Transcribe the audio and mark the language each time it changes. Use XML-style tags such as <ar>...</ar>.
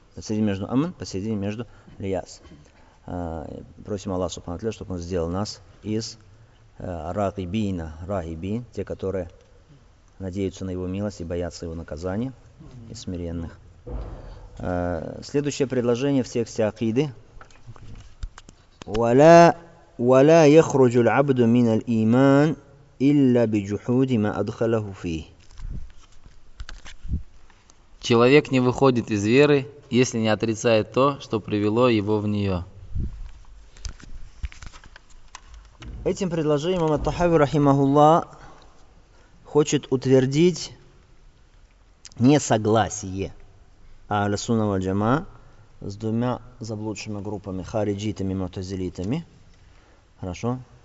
<ru>Посередине между аман, посередине между льяс. Просим Аллаха Субхану Тааля, чтобы Он сделал нас из рагибина. Рагибин. Те, которые надеются на Его милость и боятся Его наказания. И смиренных. Следующее предложение в тексте акиды.</ru> <ar>Валя... ولا يخرج العبد من الإيمان إلا بجحود ما أدخله فيه.</ar> <ru>Человек не выходит из веры, если не отрицает то, что привело его в нее. Этим предложением имам ат-Тахави рахимахуллах хочет утвердить несогласие Ахль-Сунна валь-Джамаа с двумя заблудшими группами, хариджитами и мутазилитами. Хорошо.</ru>